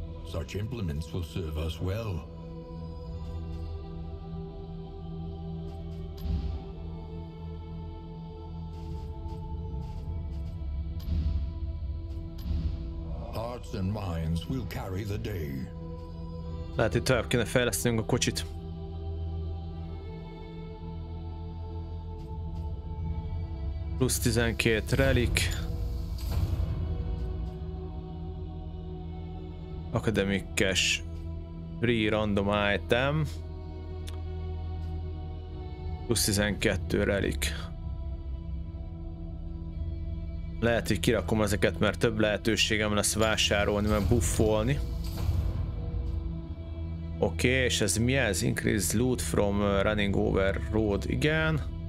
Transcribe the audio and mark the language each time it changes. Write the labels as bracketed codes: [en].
[en] Such implements will serve us well. Hearts and minds will carry the day. [hu] Lehet, hogy tovább kéne fejlesztenünk a kocsit. Plusz 12 relik. [en] Academic cash. Free random item. [hu] Plusz 12 relik. Lehet, hogy kirakom ezeket, mert több lehetőségem lesz vásárolni, meg buffolni. Oké, okay, és ez mi ez? [en] Increased loot from running over road, [hu] igen.